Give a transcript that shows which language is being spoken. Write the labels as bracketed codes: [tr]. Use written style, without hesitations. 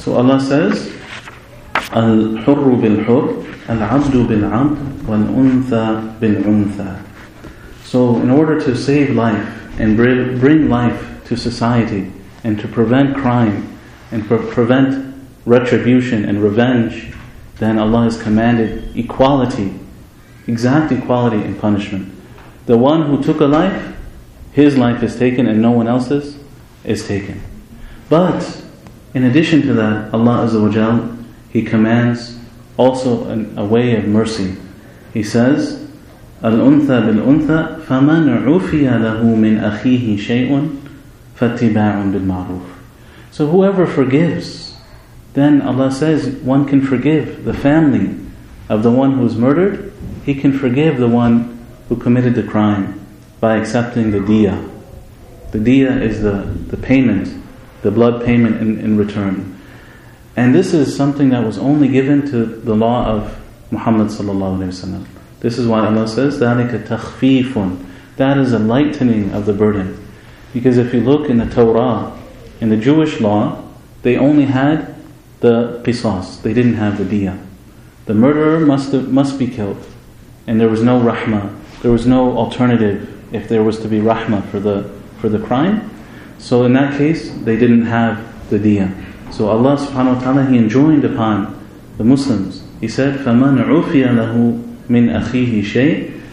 [en] So Allah says, [ar] الحر بالحر العبد بالعبد والأنثى بالأنثى. [en] So in order to save life and bring life to society and to prevent crime and prevent retribution and revenge, then Allah has commanded equality, exact equality in punishment. The one who took a life, his life is taken and no one else's is taken. But in addition to that, Allah Azza wa Jal, He commands also a way of mercy. He says, [ar] الْأُنْثَى بِالْأُنْثَى فَمَنْ عُفِيَ لَهُ مِنْ أَخِيهِ شَيْءٌ فَاتِّبَاعٌ بِالْمَعْرُوفِ. [en] So whoever forgives, then Allah says one can forgive the family of the one who's murdered. He can forgive the one who committed the crime by accepting the diyah. The diyah is the payment, the blood payment in return. And this is something that was only given to the law of Muhammad sallallahu alaihi wasallam. This is why Allah says, [ar] ذَلِكَ تَخْفِيفٌ. [en] That is a lightening of the burden. Because if you look in the Torah, in the Jewish law, they only had the qisas. They didn't have the diyah. The murderer must be killed. And there was no rahmah. There was no alternative if there was to be rahmah for the crime. So in that case, they didn't have the diyah. So Allah subhanahu wa ta'ala, He enjoined upon the Muslims. He said, [ar] فَمَنْ عُفِيَ لَهُ مِنْ أَخِيهِ شَيْءٍ.